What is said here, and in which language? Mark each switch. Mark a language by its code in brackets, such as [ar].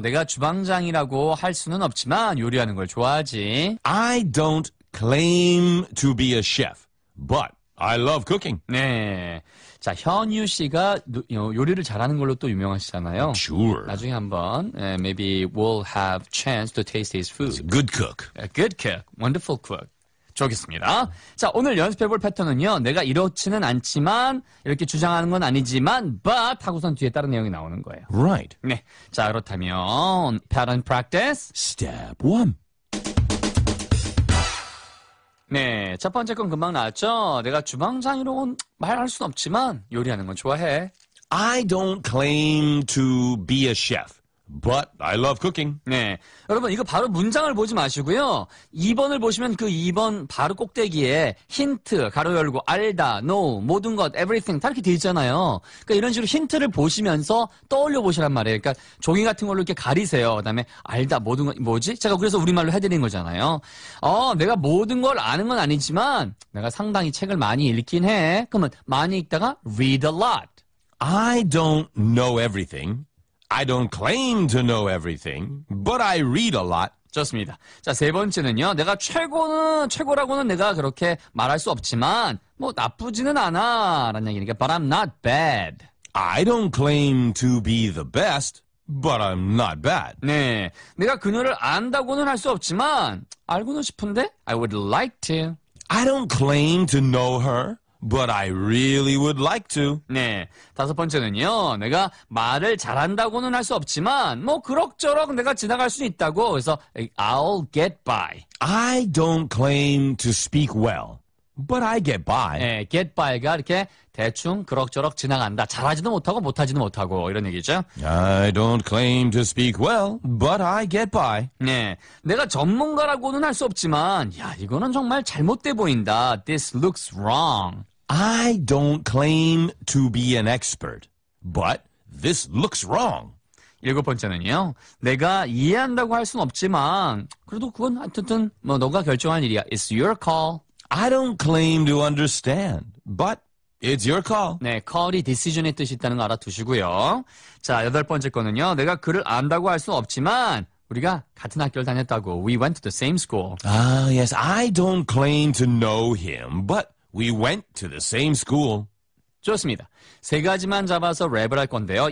[ko] 내가 주방장이라고 할 수는 없지만 요리하는 걸 좋아하지. [en] I don't claim to be a chef, but I love cooking. [ko] 네. 자, 현유 씨가 요리를 잘하는 걸로 또 유명하시잖아요. [en] Sure. [ko] 나중에 한번, [en] maybe we'll have chance to taste his food. Good cook. Good cook. Wonderful cook. [ko] 좋겠습니다. 자, 오늘 연습해볼 패턴은요. 내가 이렇지는 않지만, 이렇게 주장하는 건 아니지만, but 하고선 뒤에 다른 내용이 나오는 거예요. [en] Right. [ko] 네. 자, 그렇다면, [en] pattern practice. Step one. [ko] 네, 첫 번째 건 금방 나왔죠? 내가 주방장이로는 말할 순 없지만 요리하는 건 좋아해. [en] I don't claim to be a chef, but I love cooking. [ko] 네, 여러분 이거 바로 문장을 보지 마시고요. 2번을 보시면 그 2번 바로 꼭대기에 힌트, 가로 열고 알다, know, 모든 것, everything 다 이렇게 돼 있잖아요. 그러니까 이런 식으로 힌트를 보시면서 떠올려 보시란 말이에요. 그러니까 종이 같은 걸로 이렇게 가리세요. 그다음에 알다, 모든 것, 뭐지? 제가 그래서 우리말로 해드린 거잖아요. 내가 모든 걸 아는 건 아니지만 내가 상당히 책을 많이 읽긴 해. 그러면 많이 읽다가 [en] read a lot. I don't know everything. I don't claim to know everything, but I read a lot. [ko] 좋습니다. 자, 세 번째는요. 내가 최고라고는 내가 그렇게 말할 수 없지만, 뭐 나쁘지는 않아라는 얘기니까. [en] But I'm not bad. I don't claim to be the best, but I'm not bad. [ko] 네, 내가 그녀를 안다고는 할 수 없지만 알고는 싶은데. [en] I would like to. I don't claim to know her. But I really would like to. [ko] 네, 다섯 번째는요. 내가 말을 잘한다고는 할 수 없지만 뭐 그럭저럭 내가 지나갈 수 있다고. 그래서 [en] I'll get by. I don't claim to speak well, but I get by. [ko] 네, get by가 이렇게 대충 그럭저럭 지나간다. 잘하지도 못하고 못하지도 못하고 이런 얘기죠. [en] I don't claim to speak well, but I get by. [ko] 네, 내가 전문가라고는 할 수 없지만 야, 이거는 정말 잘못돼 보인다. [en] This looks wrong. I don't claim to be an expert, but this looks wrong. [ko] 일곱 번째는요. 내가 이해한다고 할 순 없지만 그래도 그건 하여튼 뭐 너가 결정한 일이야. [en] It's your call. I don't claim to understand, but it's your call. [ko] 네, call이 decision의 뜻이 있다는 거 알아두시고요. 자, 여덟 번째 거는요. 내가 그를 안다고 할 수 없지만 우리가 같은 학교를 다녔다고. [en] We went to the same school. Yes. I don't claim to know him, but we went to the same school. [ko] 좋습니다. 세 가지만 잡아서 랩을 할 건데요.